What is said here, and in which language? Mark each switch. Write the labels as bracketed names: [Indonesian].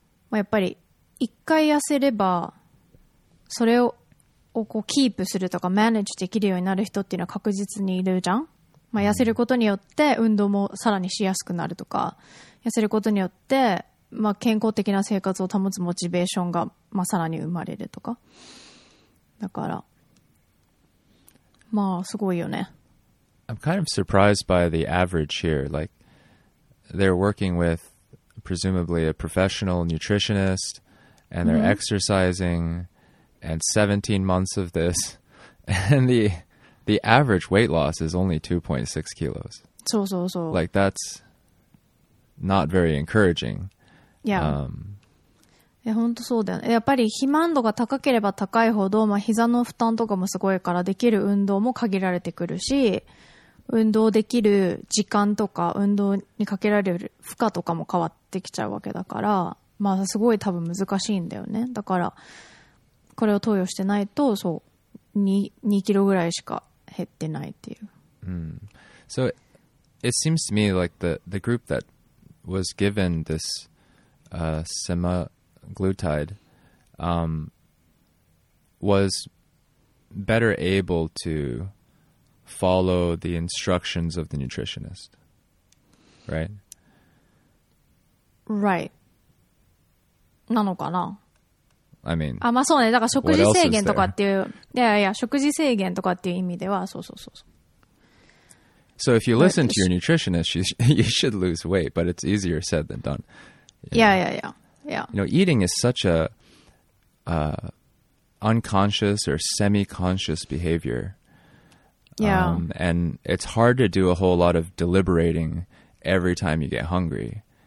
[Japanese] まあ、やっぱり1回痩せればそれ をこうキープするとかマネージできるようになる人っていうのは確実にいるじゃん。まあ、痩せることによって運動もさらにしやすくなるとか、痩せることによって、まあ、健康的な生活を保つモチベーションが、まあ、さらに生まれるとか、だからまあすごいよね。 [English] I'm kind of surprised by the average here. Like, they're working with presumably a professional nutritionist and they're exercising and 17 months of this and the average weight loss is only 2.6 kilos. [Japanese] そうそうそう。 [English] Like, that's not very encouraging. Yeah. [Japanese] いや、本当そうだよね。やっぱり肥満度が高ければ高いほど、まあ、膝の負担とかもすごいから、できる運動も限られてくるし、運動できる時間とか運動にかけられる負荷とかも変わってきちゃうわけだから、まあすごい多分難しいんだよね。だからこれを投与してないと、そう 2キロぐらいしか減ってないっていう、 [English] So it seems to me like the group that was given this semaglutide was better able to follow the instructions of the nutritionist, right? Right. [Japanese] なのかな? [English] I mean, [Japanese] あ、まあそうね。だから食事制限とかっていう、いや食事制限とかっていう意味では、そうそうそうそう。 [English] So if you listen to your nutritionist, you should lose weight, but it's easier said than done. Yeah. You know, eating is such a unconscious or semi-conscious behavior. Yeah. And it's hard to do a whole lot of deliberating every time you get hungry.